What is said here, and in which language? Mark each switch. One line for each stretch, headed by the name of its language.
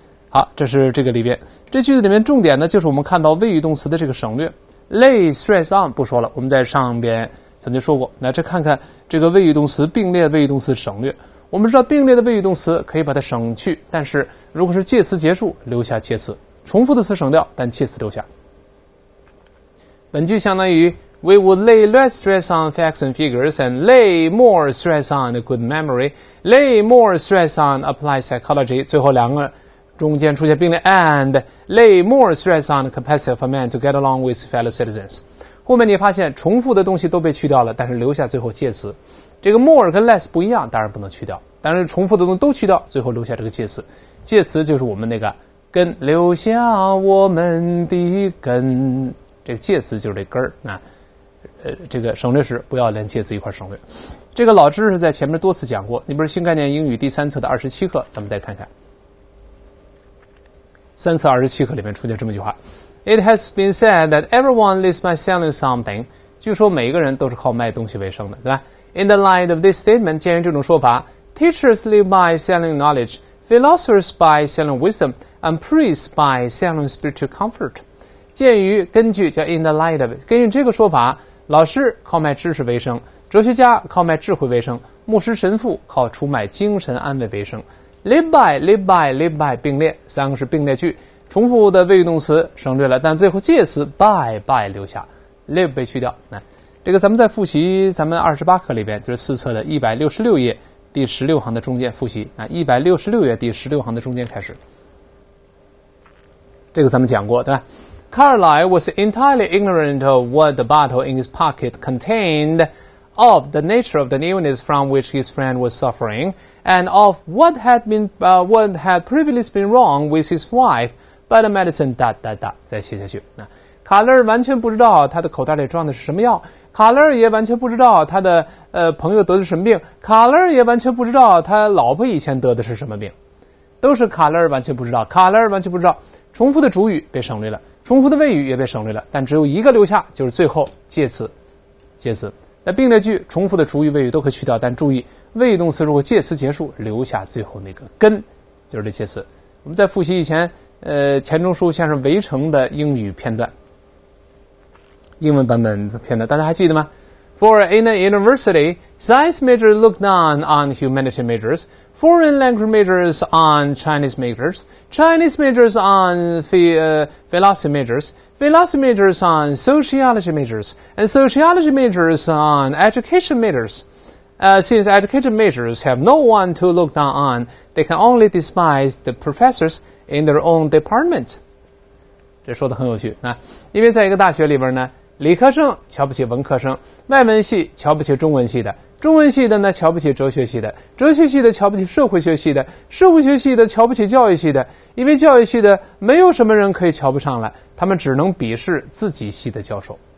Chinese: 好，这是这个里边，这句子里面重点呢就是我们看到谓语动词的这个省略，
English: lay stress on
Chinese: 不说了，我们在上边曾经说过。那这看看这个谓语动词并列谓语动词省略，我们知道并列的谓语动词可以把它省去，但是如果是介词结束留下介词，重复的词省掉但介词留下。本句相当于
English: We would lay less stress on facts and figures and lay more stress on a good memory. Lay more stress on applied psychology.
Chinese: 最后两个中间出现并列
English: and lay more stress on the capacity of a man to get along with fellow citizens.
Chinese: 后面你发现重复的东西都被去掉了，但是留下最后介词。这个 more 跟 less 不一样，当然不能去掉，但是重复的东西都去掉，最后留下这个介词。介词就是我们那个根，留下我们的根，这个介词就是这根啊。这个省略时不要连介词一块省略。这个老知识在前面多次讲过，你比如新概念英语第三册的27课，咱们再看看。三册27课里面出现这么一句话。
English: It has been said that everyone lives by selling something.
Chinese: 据说每一个人都是靠卖东西为生的，对吧？
English: In the light of this statement,
Chinese: 鉴于这种说法，
English: Teachers live by selling knowledge, Philosophers by selling wisdom, and priests by selling spiritual comfort.
Chinese: 鉴于根据叫
English: in the light of it,
Chinese: 根据这个说法，老师靠卖知识为生，哲学家靠卖智慧为生，牧师神父靠出卖精神安慰为生。
English: Live by
Chinese: 并列，三个是并列句，重复的谓语动词省略了，但最后介词 by 留下， live 被去掉。这个咱们在复习咱们28课里边，就是四册的166页第16行的中间复习，166页第16行的中间开始。这个咱们讲过，对吧？
English: Carlyle was entirely ignorant of what the bottle in his pocket contained, of the nature of the illness from which his friend was sufferingand of what had been, what had previously been wrong with his wife, but the medicine,
Chinese: 再写下去。卡勒完全不知道他的口袋里装的是什么药，卡勒也完全不知道他的朋友得的什么病，卡勒也完全不知道他老婆以前得的是什么病。都是卡勒完全不知道，卡勒完全不知道。重复的主语被省略了，重复的谓语也被省略了，但只有一个留下，就是最后介词。介词。那并列句重复的主语谓语都可以去掉，但注意谓语动词如果介词结束留下最后那个根，就是这介词。我们再复习以前钱钟书先生《围城》的英语片段，英文版本片段大家还记得吗？
English: For in a university, science major looked down on humanity majors, foreign language majors on Chinese majors, Chinese majors on philosophy majors,Philosophy majors on sociology majors, and sociology majors on education majors. Since education majors have no one to look down on, they can only despise the professors in their own department.
Chinese: 这说的很有趣啊，因为在一个大学里边呢，理科生瞧不起文科生，外文系瞧不起中文系的，中文系的呢瞧不起哲学系的，哲学系的瞧不起社会学系的，社会学系的瞧不起教育系的，因为教育系的没有什么人可以瞧不上了，他们只能鄙视自己系的教授。